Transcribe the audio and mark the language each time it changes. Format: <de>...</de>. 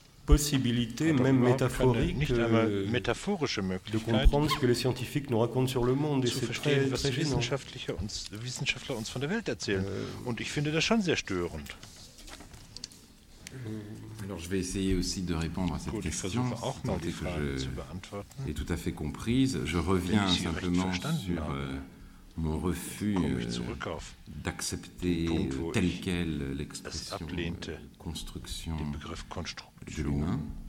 <fr>possibilité, même métaphorique, de comprendre ce que les scientifiques nous racontent sur le monde. Et c'est très gênant.</fr> <de>Wissenschaftler uns von der Welt erzählen. Und ich finde das schon sehr störend.</de> <fr>Alors, je vais essayer aussi de répondre à cette question, tant que je l'ai tout à fait comprise. Je reviens simplement sur mon refus d'accepter telle quelle l'expression construction de l'humain.</fr>